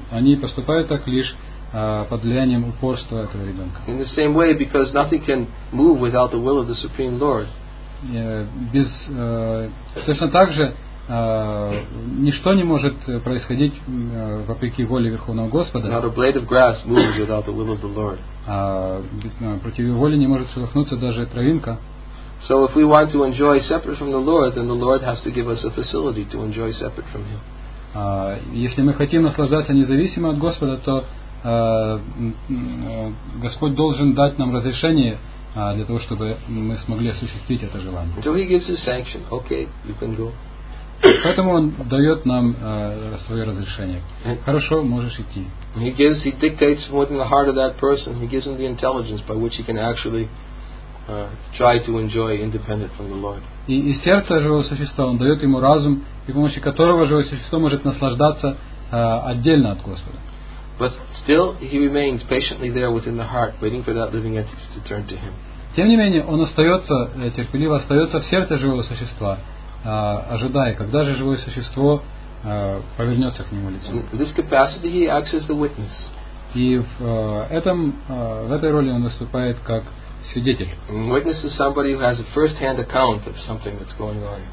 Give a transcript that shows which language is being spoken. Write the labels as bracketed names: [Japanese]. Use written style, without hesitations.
[Russian] Они поступают так лишь под влиянием упорства этого ребенка. [English] In the same way, because nothing can move without the will of the Supreme Lord. [Russian] Точно так же ничто не может происходить вопреки воле Верховного Господа. [English] Not a blade of grass moves without the will of the Lord. [Russian] Против его воли не может шелохнуться даже травинка. [English] So if we want to enjoy separate from the Lord, then the Lord has to give us a facility to enjoy separate from Him. [Russian] Если мы хотим наслаждаться независимо от Господа, то Господь должен дать нам разрешение для того, чтобы мы смогли осуществить это желание. [English] So He gives His sanction. Okay, you can go. [Russian] Поэтому Он дает нам свое разрешение. Хорошо, можешь идти. [English] He dictates within the heart of that person. He gives him the intelligence by which he can actually try to enjoy independent from the Lord. [Russian] И из сердца живого существа он дает ему разум, при помощи которого живое существо может наслаждаться отдельно от Господа. [English] But still he remains patiently there within the heart, waiting for that living entity to turn to him. [Russian] Тем не менее, он остается терпеливо остается в сердце живого существа, ожидая, когда же живое существо повернется к нему лицом. [English] In this capacity he acts as the witness. [Russian] И в этой роли он выступает как свидетель. [English] Witness is somebody who has a first-hand account of something that's going on.